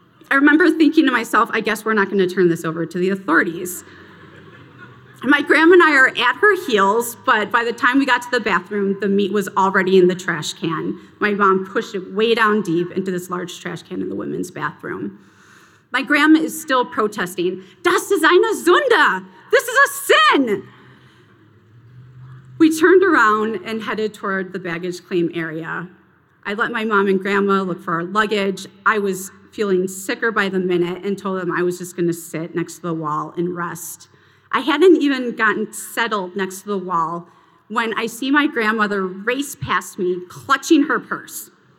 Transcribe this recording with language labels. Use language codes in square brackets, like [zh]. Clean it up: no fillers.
[en] I remember thinking to myself, I guess we're not going to turn this over to the authorities. My grandma and I are at her heels, but by the time we got to the bathroom, the meat was already in the trash can. My mom pushed it way down deep into this large trash can in the women's bathroom. My grandma is still protesting, [de] "Das ist eine Sünde! [en] This is a sin!" We turned around and headed toward the baggage claim area. I let my mom and grandma look for our luggage. I was feeling sicker by the minute and told them I was just going to sit next to the wall and rest. I hadn't even gotten settled next to the wall when I see my grandmother race past me, clutching her purse.